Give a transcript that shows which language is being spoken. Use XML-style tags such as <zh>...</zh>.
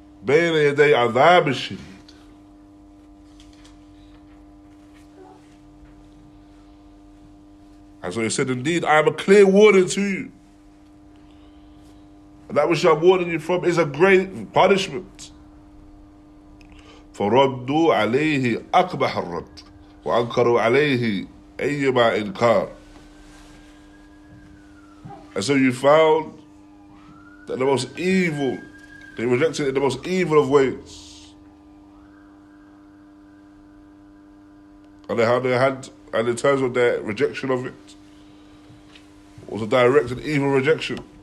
<ar>بين يدي عذاب الشديد.</ar> <en>And so he said, indeed, I am a clear warning to you. And that which I'm warning you from is a great punishment.</en> <ar>فردوا عليه أقبح الرد وأنكروا عليه أيما إنكار.</ar> <en>And so you found that the most evil, they rejected it in the most evil of ways. And they had, and in terms of their rejection of it, was a direct and evil rejection.</en>